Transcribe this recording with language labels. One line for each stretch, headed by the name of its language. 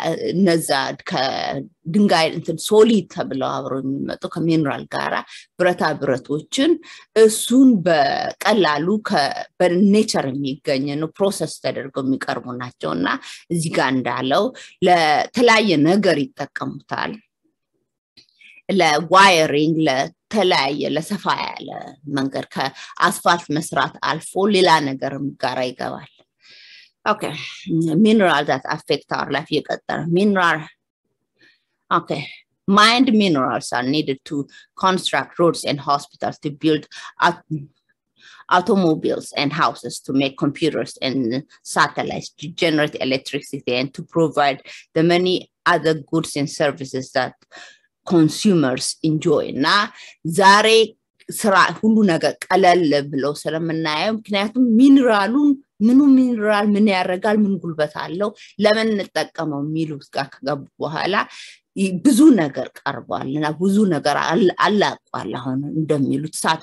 Amharic: እነዛ ከድንጋይ እንትን ሶሊድ ተብለው አብረው የሚመጡ ከሚነራል ጋራ ብረታ ብረቶችን እሱን በቀላሉ በኔቸር የሚገኝ ነው ፕሮሰስ ተደርገው የሚቀርቡ ናቸው። እና እዚህ ጋር እንዳለው ለተለያየ ነገር ይጠቀሙታል። ለዋይሪንግ፣ ለተለያየ ለሰፋ ያለ መንገድ ከአስፋልት መስራት አልፎ ሌላ ነገርም ጋራ ይገባል።
English: Okay, minerals that affect our life. You got that. Mineral. Okay. Mined minerals are needed to construct roads and hospitals, to build automobiles and houses, to make computers and satellites, to generate electricity, and to provide the many other goods and services that consumers enjoy.
Amharic: Now, zare ስራ ሁሉ ነገር ቀለል ብለው ስለምናየው፣ ምክንያቱም ሚነራሉን ምኑ ሚነራል ምን ያደርጋል ምን ጉልበት አለው ለምን እንጠቀመው የሚሉት ጋር ከገቡ በኋላ ብዙ ነገር ቀርቧል። እና ብዙ ነገር አላቋል። አሁን እንደሚሉት